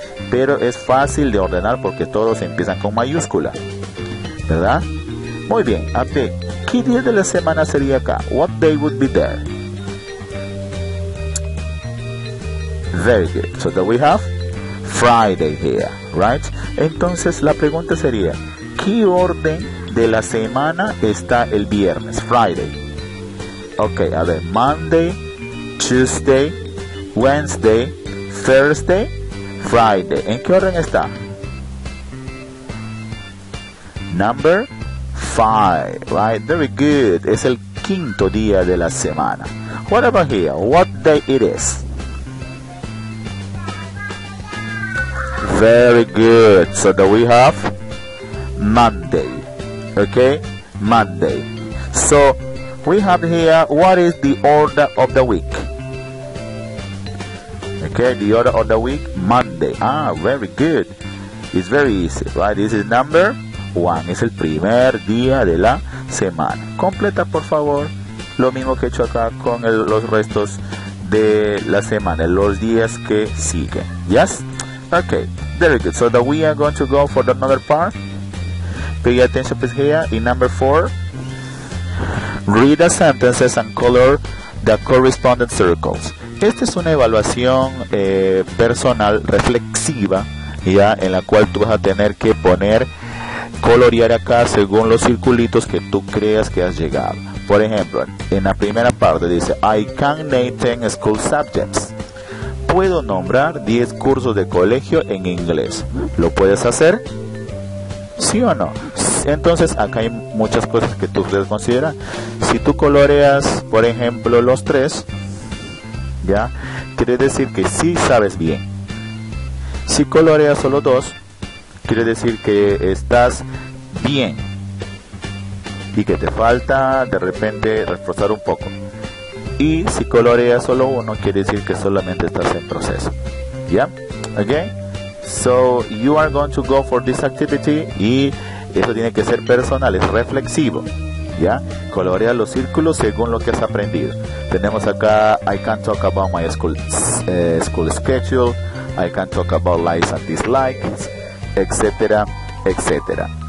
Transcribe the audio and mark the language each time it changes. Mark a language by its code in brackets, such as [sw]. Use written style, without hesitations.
[es] Pero es fácil de ordenar porque todos empiezan con mayúscula, ¿verdad? Muy bien, okay, ¿qué día de la semana sería acá? [en] What day would be there? Very good, so that we have Friday here, right? [es] Entonces la pregunta sería, ¿qué orden de la semana está el viernes? [en] Friday. Ok, [es] a ver, [en] Monday, Tuesday, Wednesday, Thursday, Friday. [es] ¿En qué orden está? [en] Number 5, right? Very good. [es] Es el quinto día de la semana. [en] What about here? What day it is? Very good. So that we have Monday. Okay? Monday. So we have here, what is the order of the week? Okay, the order of the week, Monday. Ah, very good. It's very easy, right? This is number one. [es] Es el primer día de la semana. Completa, por favor, lo mismo que he hecho acá con los restos de la semana, los días que siguen. [en] Yes? Okay. Very good. So that we are going to go for the another part. Pay attention, please, here. In number four, read the sentences and color the correspondent circles. [es] Esta es una evaluación personal reflexiva, ya, en la cual tú vas a tener que poner, colorear acá según los circulitos que tú creas que has llegado. Por ejemplo, en la primera parte dice, [en] I can name 10 school subjects. [es] Puedo nombrar 10 cursos de colegio en inglés. ¿Lo puedes hacer? ¿Sí o no? Entonces, acá hay muchas cosas que tú puedes considerar. Si tú coloreas, por ejemplo, los 3, ¿ya? Quiere decir que sí sabes bien. Si coloreas solo 2, quiere decir que estás bien y que te falta de repente reforzar un poco. Y si coloreas solo 1, quiere decir que solamente estás en proceso. [en] ¿Ya? ¿Ok? So, you are going to go for this activity [es] y eso tiene que ser personal, es reflexivo. [en] ¿Ya? [es] Colorea los círculos según lo que has aprendido. Tenemos acá, [en] I can talk about my school schedule, I can talk about likes and dislikes, etcétera, etcétera.